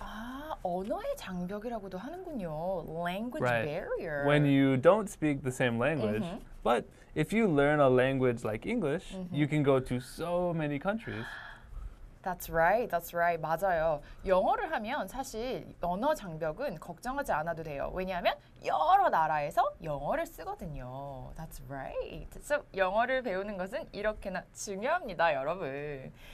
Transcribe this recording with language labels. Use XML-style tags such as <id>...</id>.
<ko>아, 언어의 장벽이라고도 하는군요.</ko> <en>Language barrier. When you don't speak the same language, but if you learn a language like English, you can go to so many countries. That's right. That's right.</en> <ko>맞아요. 영어를 하면 사실 언어 장벽은 걱정하지 않아도 돼요. 왜냐하면 여러 나라에서 영어를 쓰거든요.</ko> <en>That's right.</en> <ko>So 영어를 배우는 것은 이렇게나 중요합니다, 여러분.</ko>